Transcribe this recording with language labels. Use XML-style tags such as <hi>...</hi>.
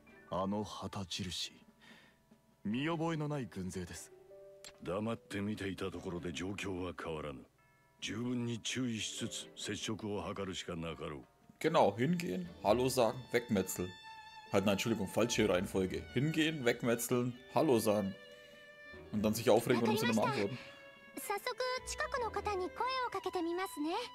<ja>あの旗印、見覚えのない軍勢です。黙って見ていたところで状況は変わらぬ。十分に注意しつつ接触を図るしかなかろう。</ja> <de>Genau, hingehen, hallo sagen, wegmetzeln. Halt, nein, Entschuldigung, falsche Reihenfolge. Hingehen, wegmetzeln, hallo sagen. Und dann sich aufregen, wenn sie nicht antworten.</de> <ja>早速近くの方に声をかけてみますね。</ja>